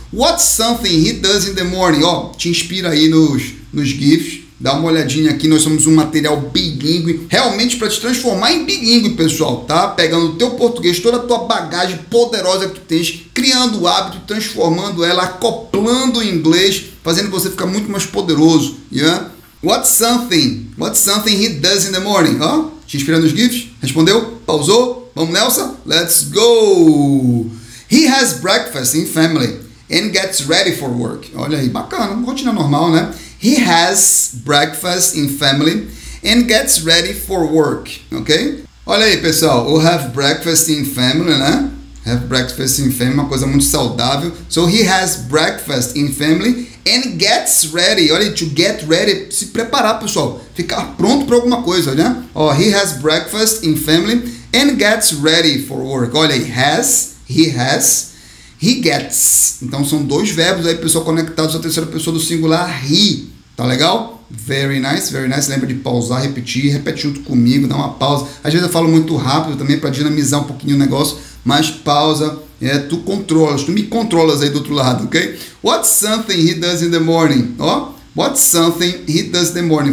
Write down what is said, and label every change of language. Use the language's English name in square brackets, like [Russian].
[English] What's something he does in the morning? [Portuguese] Ó, te inspira aí nos GIFs. Dá uma olhadinha aqui, nós somos um material bilíngue, realmente para te transformar em bilíngue, pessoal, tá? Pegando o teu português, toda a tua bagagem poderosa que tu tens, criando o hábito, transformando ela, acoplando o inglês, fazendo você ficar muito mais poderoso, yeah? [English] What's something he does in the morning, ó? [Portuguese] Te inspirando nos GIFs? Respondeu? Pausou? Vamos, Nelson? [English] Let's go! He has breakfast in family and gets ready for work. [Portuguese] Olha aí, bacana, rotina normal, né? [English] He has breakfast in family and gets ready for work, ok? [Portuguese] Olha aí, pessoal, o [English] have breakfast in family, [Portuguese] né? [English] Have breakfast in family, [Portuguese] uma coisa muito saudável. [English] So, he has breakfast in family and gets ready. [Portuguese] Olha aí, [English] to get ready, [Portuguese] se preparar, pessoal. Ficar pronto para alguma coisa, né? [English] Oh, he has breakfast in family and gets ready for work. [Portuguese] Olha aí, [English] he has. He gets. [Portuguese] Então, são dois verbos aí, pessoal, conectados à terceira pessoa do singular, he. Tá legal? [English] Very nice, very nice. [Portuguese] Lembra de pausar, repetir, repete junto comigo, dá uma pausa. Às vezes eu falo muito rápido também para dinamizar um pouquinho o negócio, mas pausa, é, tu controlas, tu me controlas aí do outro lado, ok? [English] What's something he does in the morning? Oh, what's something he does in the morning?